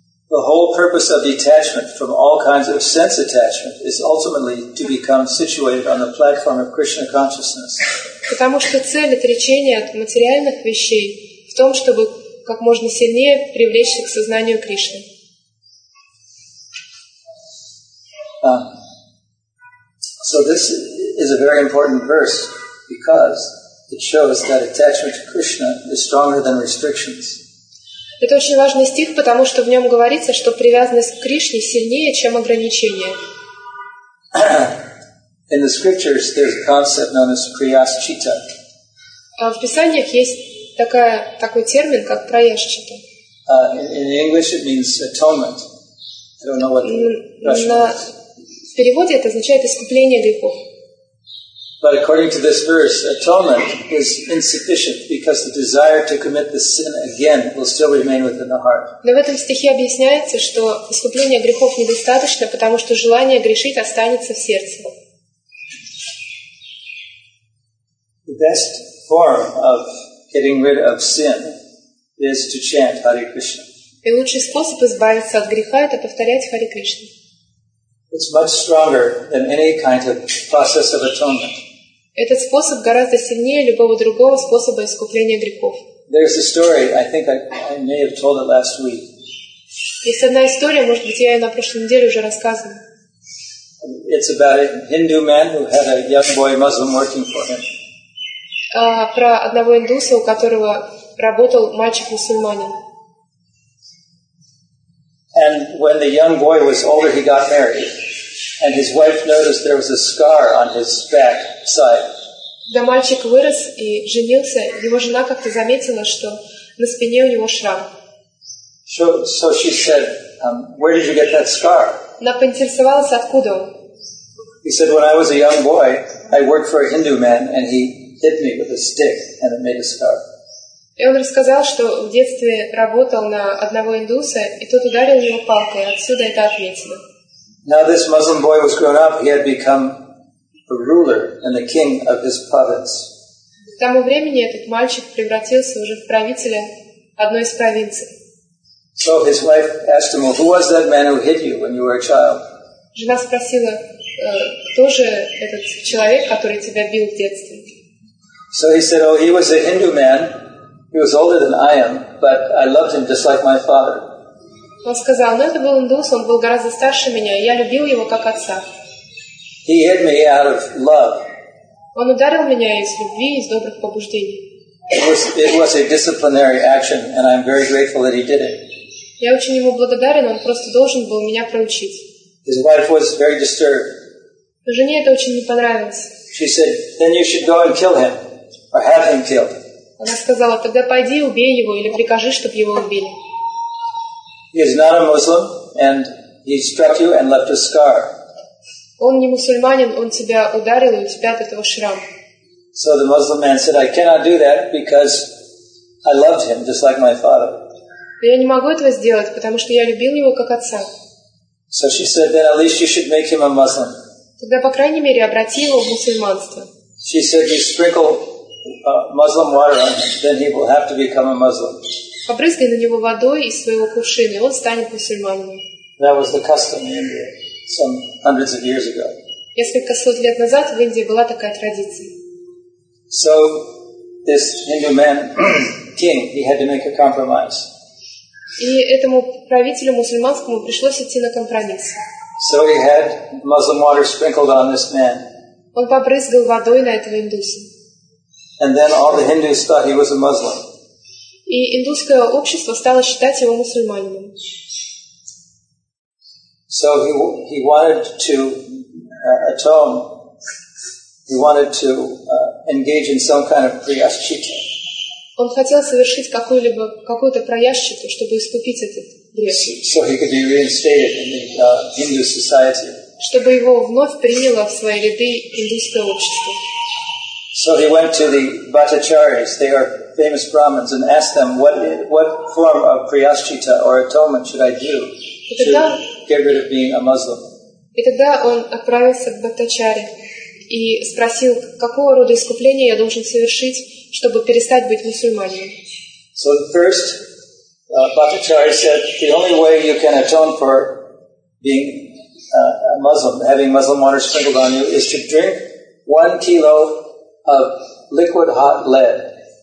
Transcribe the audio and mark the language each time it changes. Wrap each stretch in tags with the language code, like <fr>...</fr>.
<en>The whole purpose of detachment from all kinds of sense attachment is ultimately to become situated on the platform of Krishna consciousness.</en> <ru>Потому что цель отречения от материальных вещей в том, чтобы как можно сильнее привлечься к сознанию Кришны.</ru> <en>So this is a very important verse because it shows that attachment to Krishna is stronger than restrictions.</en> <ru>Это очень важный стих, потому что в нем говорится, что привязанность к Кришне сильнее, чем ограничения.</ru> <en>In the scriptures there's a concept known as prayaschitta.</en> <ru>В Писаниях есть такой термин, как prayaschitta.</ru> <en>In English it means atonement. I don't know what the Russian is.</en> <ru>В переводе это означает искупление грехов.</ru> <en>But according to this verse, atonement is insufficient because the desire to commit the sin again will still remain within the heart.</en> <ru>Но в этом стихе объясняется, что искупление грехов недостаточно, потому что желание грешить останется в сердце.</ru> <en>The best form of getting rid of sin is to chant Hare Krishna.</en> <ru>И лучший способ избавиться от греха – это повторять Хари Кришна.</ru> <en>It's much stronger than any kind of process of atonement.</en> <ru>Этот способ гораздо сильнее любого другого способа искупления грехов.</ru> <en>There's a story, I think I may have told it last week.</en> <ru>Есть одна история, может быть, я ее на прошлой неделе уже рассказывала.</ru> <en>It's about a Hindu man who had a young boy Muslim working for him.</en> <ru>Про одного индуса, у которого работал мальчик-мусульманин.</ru> <en>And when the young boy was older, he got married. And his wife noticed there was a scar on his back side.</en> <ru>Да, мальчик вырос и женился. Его жена как-то заметила, что на спине у него шрам.</ru> <en>So she said, where did you get that scar?</en> <ru>Она поинтересовалась, откуда он.</ru> <en>He said, when I was a young boy, I worked for a Hindu man, and he hit me with a stick, and it made a scar.</en> <ru>И он рассказал, что в детстве работал на одного индуса, и тот ударил его палкой, отсюда это отметило.</ru> <en>Now this Muslim boy was grown up, he had become a ruler and the king of his province.</en> <ru>К тому времени этот мальчик превратился уже в правителя одной из провинций.</ru> <en>So his wife asked him, well, who was that man who hit you when you were a child?</en> <ru>Жена спросила, кто же этот человек, который тебя бил в детстве?</ru> <en>So he said, oh, he was a Hindu man. He was older than I am, but I loved him just like my father.</en> <ru>Он сказал, но это был индус, он был гораздо старше меня, я любил его как отца.</ru> <en>He hit me out of love.</en> <ru>Он ударил меня из любви, из добрых побуждений.</ru> <en>It was a disciplinary action, and I'm very grateful that he did it.</en> <ru>Я очень ему благодарен, он просто должен был меня проучить.</ru> <en>His wife was very disturbed.</en> <ru>Жене это очень не понравилось.</ru> <en>She said, then you should go and kill him, or have him killed.</en> <ru>Она сказала, тогда пойди и убей его, или прикажи, чтобы его убили.</ru> <en>He is not a Muslim, and he struck you and left a scar.</en> <ru>Он не мусульманин, он тебя ударил, и у тебя от этого шрам.</ru> <en>So the Muslim man said, I cannot do that because I loved him just like my father.</en> <ru>Я не могу этого сделать, потому что я любил его как отца.</ru> <en>So she said, then at least you should make him a Muslim.</en> <ru>Тогда, по крайней мере, обрати его в мусульманство.</ru> <en>She said, you sprinkle Muslim water on him, then he will have to become a Muslim.</en> <ru>Побрызгай на него водой из своего кувшина, и он станет мусульманином.</ru> <en>That was the custom in India some hundreds of years ago.</en> <ru>Несколько сот лет назад в Индии была такая традиция.</ru> <en>So this Hindu man king, he had to make a compromise.</en> <ru>И этому правителю мусульманскому пришлось идти на компромисс.</ru> <en>So he had Muslim water sprinkled on this man.</en> <ru>Он побрызгал водой на этого индуса.</ru> <en>And then all the Hindus thought he was a Muslim.</en> <ru>И индусское общество стало считать его мусульманином.</ru> <en>So he wanted to atone. He wanted to engage in some kind of prayaschita.</en> <ru>Он хотел совершить какую-либо какую-то прайяшчиту, чтобы искупить этот грех.</ru> <en>So he could be reinstated in the Hindu society.</en> <ru>Чтобы его вновь приняло в свои ряды индусское общество.</ru> <en>So he went to the Bhattacharyas, they are famous Brahmins, and asked them, what form of prayaschita or atonement should I do to get rid of being a Muslim?</en> <ru>И тогда он отправился к Бхаттачарье и спросил, какого рода искупление я должен совершить, чтобы перестать быть мусульманином.</ru> <en>So first, Bhattacharya said, the only way you can atone for being a Muslim, having Muslim water sprinkled on you, is to drink 1 kilo of liquid hot lead.</en>